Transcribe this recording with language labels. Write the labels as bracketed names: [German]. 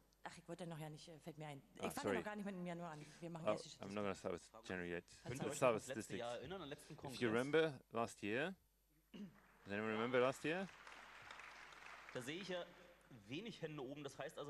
[German] ach, ich wollte noch ja nicht, fällt mir ein. Ich fange noch gar nicht mit dem Januar an. Wir machen jetzt [English] I'm not going to start with January yet. Let's start with statistics. If you remember last year, does anyone remember last year? [German] Da sehe ich ja wenig Hände oben, das heißt also,